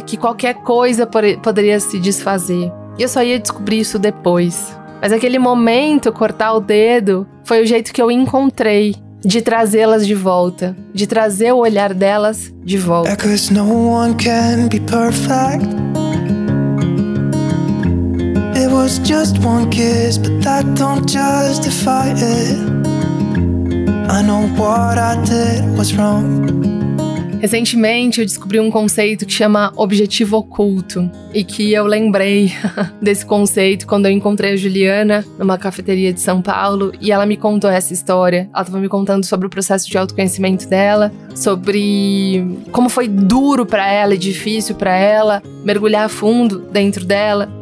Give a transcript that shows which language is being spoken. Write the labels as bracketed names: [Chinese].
[Portuguese] Que qualquer coisa poderia se desfazer. E eu só ia descobrir isso depois. Mas aquele momento, cortar o dedo, foi o jeito que eu encontrei de trazê-las de volta. De trazer o olhar delas de volta. É porque ninguém pode ser perfeito. [English] It was just one kiss, but that don't justify it. I know what I did was wrong. [Portuguese] Recentemente, eu descobri um conceito que chama objetivo oculto. E que eu lembrei desse conceito quando eu encontrei a Juliana numa cafeteria de São Paulo. E ela me contou essa história. Ela estava me contando sobre o processo de autoconhecimento dela. Sobre como foi duro para ela e difícil para ela mergulhar fundo dentro dela.